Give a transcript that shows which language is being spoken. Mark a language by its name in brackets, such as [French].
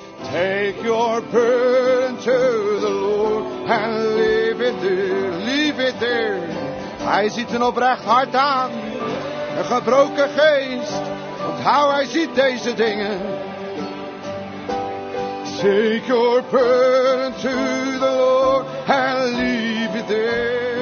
[English] Take your burden to the Lord and leave it there, leave it there. [Dutch] Hij ziet een oprecht hart aan, een gebroken geest, want hou, hij ziet deze dingen. [English] Take your burden to the Lord and leave it there.